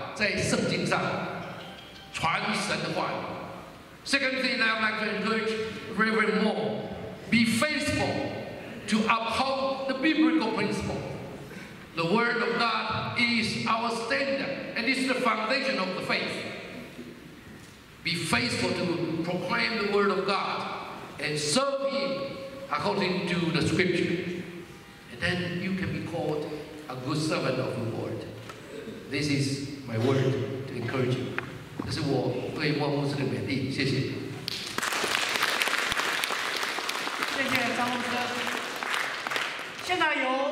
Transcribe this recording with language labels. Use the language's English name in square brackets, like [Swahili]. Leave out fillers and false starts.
[Chinese] 愿神让你成为一个很好的牧者，你必须常常祷告。第二件事情，我请牧师真要忠实在神的话语，在圣经上传神的话语。 [English] Second thing I would like to encourage Reverend Moore, be faithful to uphold the biblical principle. The word of God is our standard and is the foundation of the faith. Be faithful to proclaim the word of God and serve Him according to the scripture. And then you can be called a good servant of the Lord. This is my word to encourage you. [Chinese] 这是我对莫牧师的勉励，谢谢。谢谢张牧师。现在由